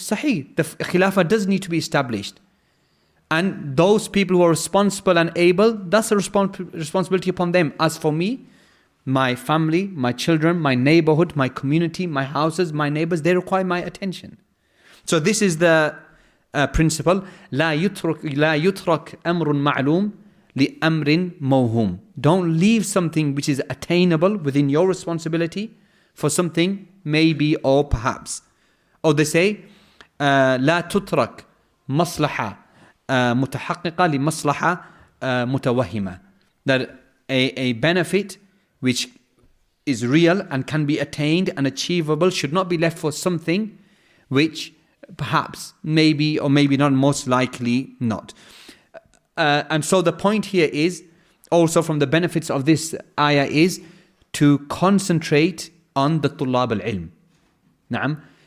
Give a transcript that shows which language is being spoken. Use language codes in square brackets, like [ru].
[en] Sahih, the khilafah does need to be established. And those people who are responsible and able, that's a responsibility upon them. As for me, my family, my children, my neighborhood, my community, my houses, my neighbors, they require my attention. So this is the principle. [ar] لا يترك أمر معلوم لأمر موهوم. [en] Don't leave something which is attainable within your responsibility for something maybe or perhaps. Or they say, [ar] لا تترك مصلحة متحققة لمصلحة متوهمة. [en] That a benefit which is real and can be attained and achievable should not be left for something which perhaps, maybe, or maybe not, most likely not. And so the point here is, also from the benefits of this ayah is, to concentrate on the tulab al-ilm. Na'am.